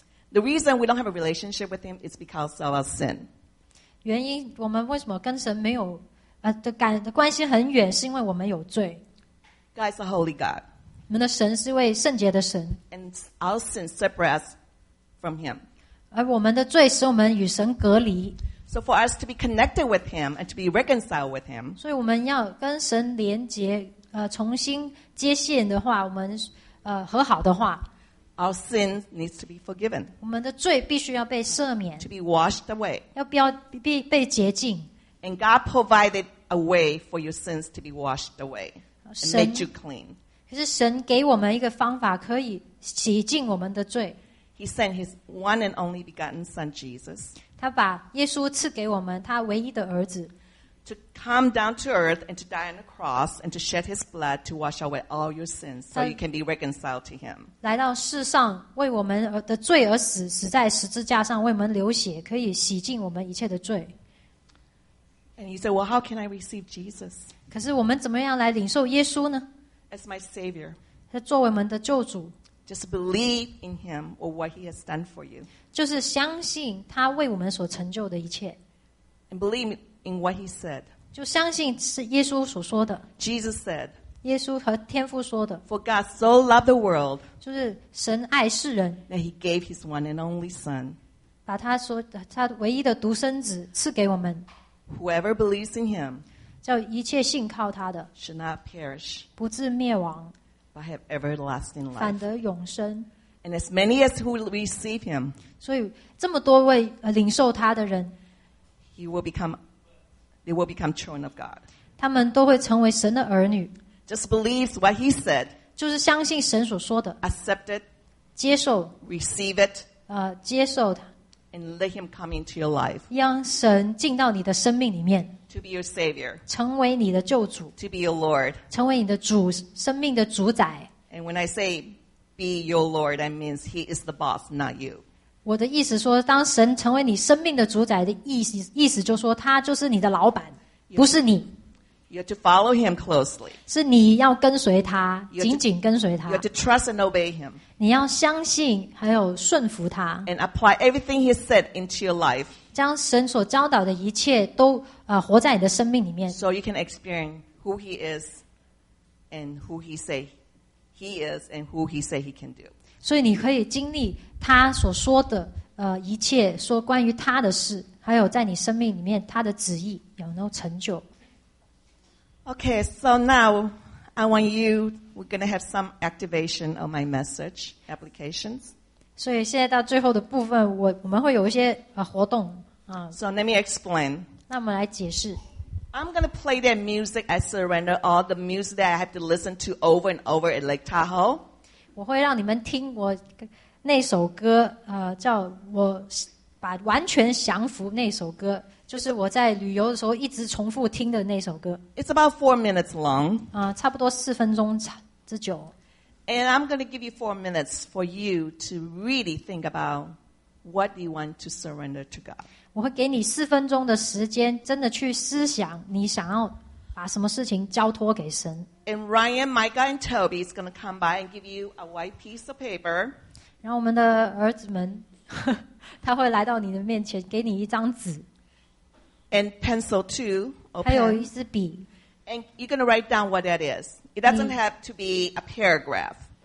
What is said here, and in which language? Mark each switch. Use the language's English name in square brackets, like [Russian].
[English] The reason we don't have a relationship with him is because of our sin. [Chinese] 原因我们为什么跟神没有 的关系很远，是因为我们有罪。 [English] God is a holy God. [Chinese] 我们的神是一位圣洁的神。 [English] And our sin separates from him. [Chinese] 而我们的罪使我们与神隔离。 [English] So for us to be connected with him and to be reconciled with him, [Chinese] 所以我们要跟神连接，重新接线的话，我们和好的话。 [English] Our sin needs to be forgiven. [Chinese] 我们的罪必须要被赦免。 [English] To be washed away. [Chinese] 要被洁净。 [English] And God provided a way for your sins to be washed away and made you clean. [Chinese] 是神给我们一个方法可以洗净我们的罪。 [English] He sent his one and only begotten son Jesus. [Chinese] 他把耶稣赐给我们他唯一的儿子。 [English] To come down to earth and to die on the cross and to shed his blood to wash away all your sins so you can be reconciled to him. [Chinese] 来到世上为我们的罪而死，死在十字架上为我们流血，可以洗净我们一切的罪。 [English] And you say, well, how can I receive Jesus? [Chinese] 可是我们怎么样来领受耶稣呢? [English] As my Savior. [Chinese] 他作为我们的救主。 [English] Just believe in him or what he has done for you. [Chinese] 就是相信他为我们所成就的一切。 [English] And believe in what he said. [Chinese] 就相信是耶稣所说的。 [English] Jesus said. [Chinese] 耶稣和天父说的。 [English] For God so loved the world. [Chinese] 就是神爱世人。 [English] That he gave his one and only son. [Chinese] 把他唯一的独生子赐给我们。 [English] Whoever believes in him [Chinese] 叫一切信靠他的, [English] should not perish [Chinese] 不至灭亡, [English] but have everlasting life [Chinese] 反得永生, [English] and as many as who receive him [Chinese] 所以这么多位领受他的人, [English] they will become children of God [Chinese] 他们都会成为神的儿女, [English] just believe what he said [Chinese] 就是相信神所说的, [English] accept it [Chinese] 接受, [English] receive it [Chinese] 接受他, [English] and let him come into your life. [Chinese] 让神进到你的生命里面, [English] to be your Savior. [Chinese] 成为你的救主, [English] to be your Lord. [Chinese] 成为你的主, 生命的主宰, [English] and when I say be your Lord, that means he is the boss, not you. [Chinese] 我的意思说, 当神成为你生命的主宰, 意思就说, 他就是你的老板, [English] you [Chinese] 不是你。 [English] You have to follow him closely. [Chinese] 是你要跟随他, 紧紧跟随他。 [English] You have to trust and obey him. [Chinese] 你要相信还有顺服他。 [English] And apply everything he said into your life. [Chinese] 将神所教导的一切都, 活在你的生命里面。 [English] So you can experience who he is and who he say he is and who he say he can do. [Chinese] 所以你可以经历他所说的, 一切, 说关于他的事, 还有在你生命里面他的旨意, 有没有成就。 [English] Okay, so now I want you, we're going to have some activation of my message applications. [Chinese] 所以现在到最后的部分, 我们会有一些, 活动, [English] So let me explain. [Chinese] 那我们来解释。 [English] I'm going to play that music. I surrender all the music that I have to listen to over and over at Lake Tahoe. [Chinese] 我会让你们听我那首歌，叫我把完全降服那首歌，就是我在旅游的时候一直重复听的那首歌。 [English] It's about 4 minutes long. [Chinese] 差不多四分钟之久。 [English] And I'm going to give you 4 minutes for you to really think about what you want to surrender to God. [Chinese] 我会给你四分钟的时间，真的去思想你想要把什么事情交托给神。 [English] And Ryan, Micah, and Toby is going to come by and give you a white piece of paper. [Chinese] 然后我们的儿子们，他会来到你的面前，给你一张纸。 [English] And pencil too. Or pen. [Chinese] 还有一支笔。 [English] And you're going to write down what that is. It doesn't have to be a paragraph.